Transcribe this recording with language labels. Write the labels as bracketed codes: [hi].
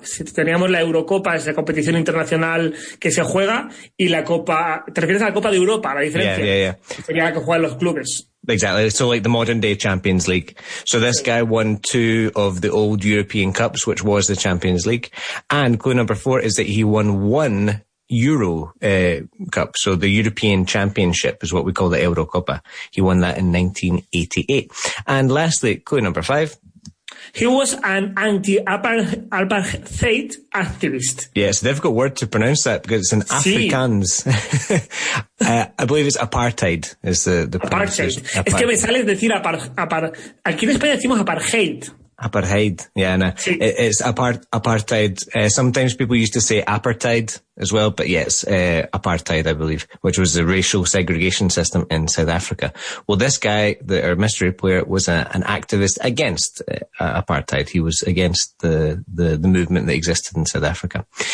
[es] Si teníamos la Eurocopa, es la competición internacional que se juega, y la copa, ¿te refieres a la Copa de Europa, la diferencia? [en] Yeah, yeah, yeah. [es] Sería la que juegan los clubes. [en] Exactly. So like the modern day Champions League. So this guy won two of the old European Cups, which was the Champions League. And clue number four is that he won one Euro Cup. So the European Championship is what we call the Eurocopa. He won that in 1988. And lastly, clue number five. He was an anti-apartheid activist. Yeah, it's a difficult word to pronounce that because it's an Afrikaans. Sí. I believe it's apartheid is the apartheid. [es] Apartheid. Es que me sale decir aquí en España decimos apartheid. [en] Apartheid, yeah, no. Sí. It's apartheid. Sometimes people used to say apartheid as well, but yes, apartheid, I believe, which was the racial segregation system in South Africa. Well, this guy, our mystery player, was an activist against apartheid. He was against the movement that existed in South Africa.